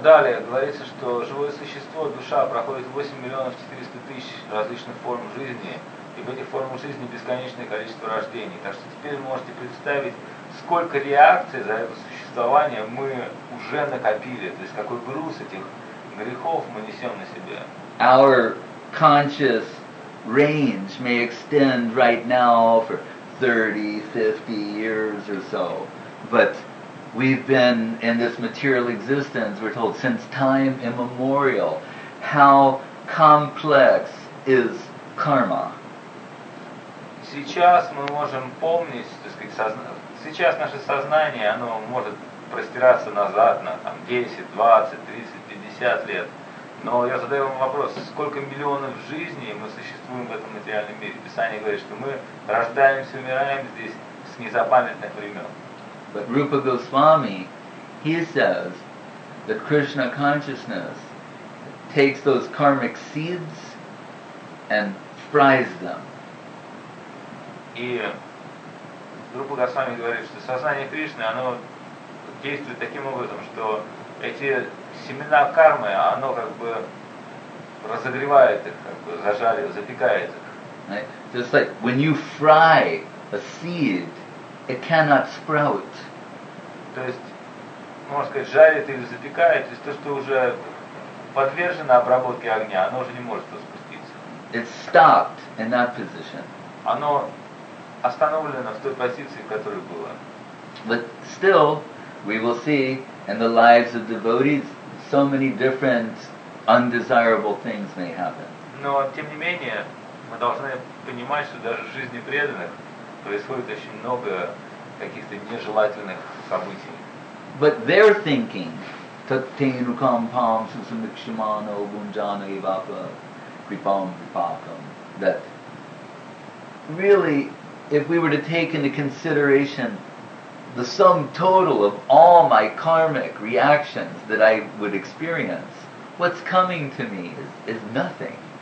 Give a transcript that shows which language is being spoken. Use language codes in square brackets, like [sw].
[ru] Далее говорится, что живое существо, душа, проходит 8,400,000 различных форм жизни. И в этих формах жизни бесконечное количество рождений. Так что теперь можете представить, сколько реакций за это существование мы уже накопили, то есть какой груз этих грехов мы несем на себе. [en] Our conscious range may extend right now for 30, 50 years or so, but we've been in this material existence, we're told, since time immemorial. How complex is karma? [ru] Сейчас мы можем помнить, так сказать, сейчас наше сознание, оно может простираться назад на там, 10, 20, 30, 50 лет. Но я задаю вам вопрос, сколько миллионов жизней мы существуем в этом материальном мире? Писание говорит, что мы рождаемся, умираем здесь с незапамятных времен. [en] But Rupa Goswami, he says that Krishna consciousness takes those karmic seeds and fries them. [ru] И Рупа Госвами говорит, что сознание Кришны, оно действует таким образом, что эти семена кармы, оно как бы разогревает их, как бы зажаривает, запекает их. [en] Right? Just like when you fry a seed, it cannot sprout. [ru] То есть, можно сказать, жарит или запекает, то есть то, что уже подвержено обработке огня, оно уже не может распуститься. [en] It stopped in that position. [ru] Оно остановлено в той позиции, в которой было. [en] But still, we will see in the lives of devotees, so many different undesirable things may happen. [ru] Но, тем не менее, мы должны понимать, что даже в жизни преданных происходит очень много каких-то нежелательных событий. [en] But they're thinking, [sa] Tattenu kam pam susamikshamano gunjana ivapa kripam vipakam, [en] that really, if we were to take into consideration the sum total of all my karmic reactions that I would experience, what's coming to me is nothing.